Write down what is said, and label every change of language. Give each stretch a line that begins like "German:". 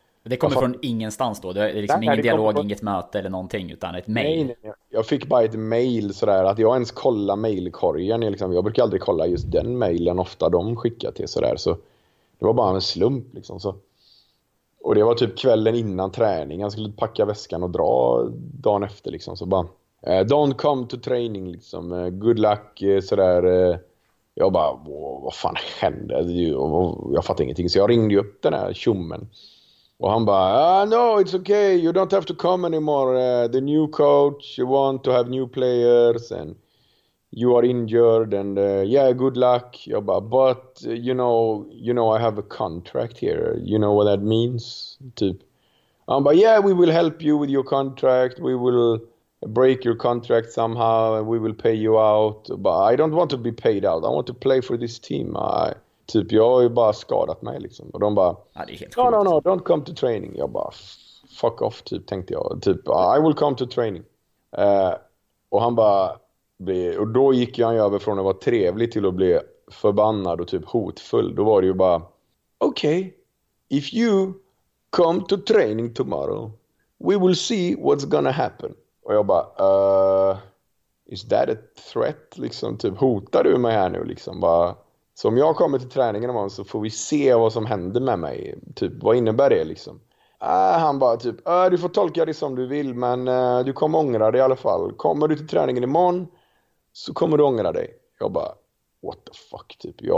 Swedish: det kommer från ingenstans då? Det är liksom ingen dialog, inget möte eller någonting, utan ett mail? Nej. Jag fick bara ett mail sådär, att jag ens kollar mailkorgen. Liksom, jag brukar aldrig kolla just den mailen ofta de skickar till sådär. Så det var bara en slump liksom. Så. Och det var typ kvällen innan träning. Jag skulle packa väskan och dra dagen efter liksom.
English: Så bara, don't come to training liksom. Good luck
Swedish: sådär. Jag bara, vad fan hände? Jag fattade ingenting. Så jag ringde upp den här tjummen. Och han bara,
English: no, it's okay, you don't have to come anymore. The new coach, you want to have new players and you are injured and yeah, good luck.
Swedish: Jag bara,
English: but you know, I have a contract here. You know what that means?
Swedish: Typ. Han bara,
English: yeah, we will help you with your contract. We will break your contract somehow and we will pay you out. But I don't want to be paid out. I want to play for this team.
Swedish: Typ, jag har ju bara skadat mig liksom. Och de bara, ja, det är helt coolt.
English: No, don't come to training.
Swedish: Jag bara,
English: fuck off,
Swedish: typ, tänkte jag.
English: Typ, I will come to training.
Swedish: Och han bara, och då gick han ju över från att vara trevlig till att bli förbannad och typ hotfull. Då var det ju bara,
English: okay, if you come to training tomorrow, we will see what's gonna happen.
Swedish: Och jag bara,
English: is that a threat?
Swedish: Liksom, typ, hotar du mig här nu liksom? Bara, så om jag kommer till träningen imorgon så får vi se vad som händer med mig. Typ, vad innebär det liksom? Han bara typ, du får tolka det som du vill, men du kommer ångra dig i alla fall. Kommer du till träningen imorgon så kommer du ångra dig. Jag bara,
English: what the fuck,
Swedish: typ.